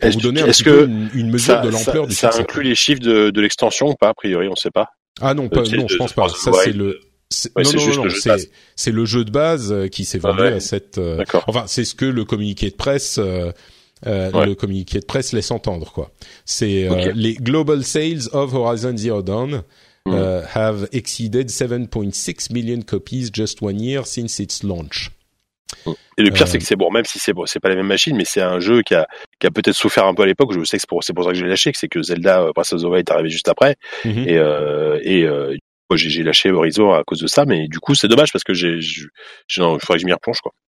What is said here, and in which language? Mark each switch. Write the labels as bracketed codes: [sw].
[fr] c'est pour vous donner un petit peu une mesure de l'ampleur du succès. Ça inclut les chiffres de l'extension ou pas, a priori, on ne sait pas. Ah non, pas, non, je pense pas. Ça, c'est le... C'est le jeu de base qui s'est vendu à cette... Enfin, c'est ce que le communiqué de presse... le communiqué de presse laisse entendre, quoi. C'est les [en] global sales of Horizon Zero Dawn have exceeded 7.6 million copies just one year since its launch. [fr] Et le pire, c'est que c'est bon, même si c'est bon, c'est pas la même machine, mais c'est un jeu qui a peut-être souffert un peu à l'époque. Je sais que c'est pour ça que j'ai lâché, que c'est que Zelda Breath of the Wild est arrivé juste après. Mm-hmm. Et j'ai lâché Horizon à cause de ça, mais du coup, c'est dommage parce que il faudrait que je m'y replonge, quoi.